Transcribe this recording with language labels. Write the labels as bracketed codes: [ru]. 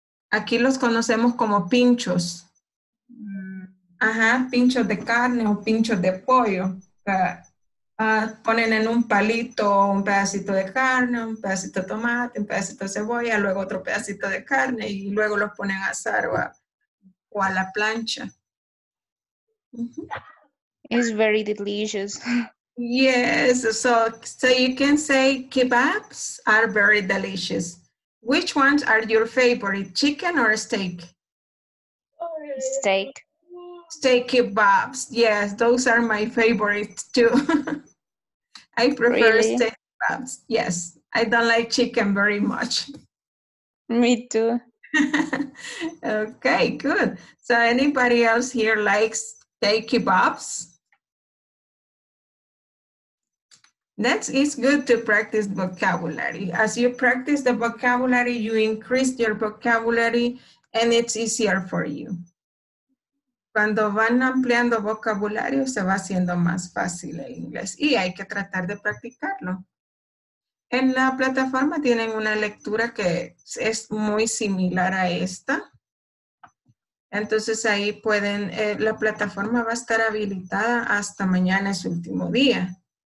[es] Aquí los conocemos como pinchos. Ajá, pinchos de carne o pinchos de pollo. Ponen en un palito un pedacito de carne, un pedacito de tomate, un pedacito de cebolla, luego otro pedacito de carne y luego los ponen a asar o a la plancha. [en] Uh-huh. It's very delicious. Yes, so you can say kebabs are very delicious. Which ones are your favorite, chicken or steak? Steak. Steak kebabs, yes, those are my favorites too. I prefer really? Steak crabs. Yes, I don't like chicken very much. Me too. Okay, good. So anybody else here likes steak kebabs? It's good to practice vocabulary. As you practice the vocabulary, you increase your vocabulary and it's easier for you. [es] Cuando van ampliando vocabulario, se va haciendo más fácil el inglés. Y hay que tratar de practicarlo. En la plataforma tienen una lectura que es muy similar a esta. Entonces ahí pueden, la plataforma va a estar habilitada hasta mañana, es su último día.